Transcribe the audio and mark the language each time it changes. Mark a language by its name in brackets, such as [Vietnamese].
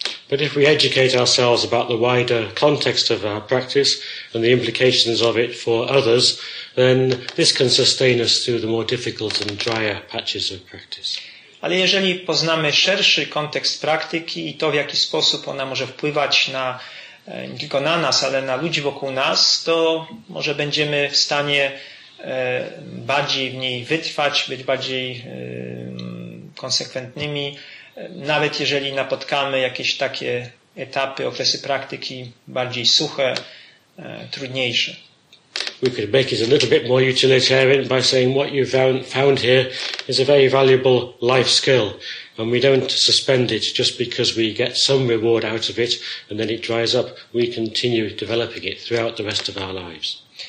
[English] But if we educate ourselves about the wider context of our practice and the implications of it for others, then this can sustain us through the more difficult and drier patches of practice. [Polish] Ale jeżeli poznamy szerszy kontekst praktyki i to, w jaki sposób ona może wpływać na, nie tylko na nas, ale na ludzi wokół nas, to może będziemy w stanie bardziej w niej wytrwać, być bardziej konsekwentnymi nawet jeżeli napotkamy jakieś takie etapy, okresy praktyki bardziej suche, trudniejsze. [English] We could make it a little bit more utilitarian by saying what you found here is a very valuable life skill, and we don't suspend it just because we get some reward out of it and then it dries up. We continue developing it throughout the rest of our lives.